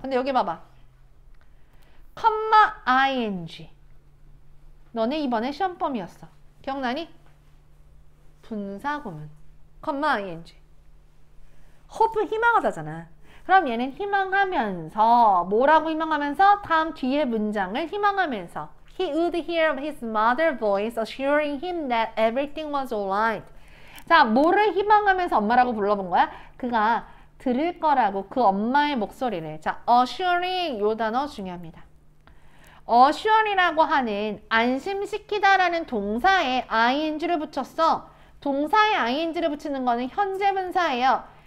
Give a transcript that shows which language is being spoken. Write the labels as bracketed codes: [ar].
[ko] 근데 여기 봐봐. comma ing. 너네 이번에 시험범이었어. 기억나니? 분사구문. comma ing. hope 희망하다잖아. 그럼 얘는 희망하면서 뭐라고 희망하면서? 다음 뒤에 문장을 희망하면서. [en] He would hear his mother's voice assuring him that everything was alright. [ko] 자, 뭐를 희망하면서 엄마라고 불러본 거야? 그가 들을 거라고 그 엄마의 목소리를. 자, assuring 이 단어 중요합니다. assure이라고 하는 안심시키다라는 동사에 ing를 붙였어. 동사에 ing를 붙이는 거는 현재 분사예요.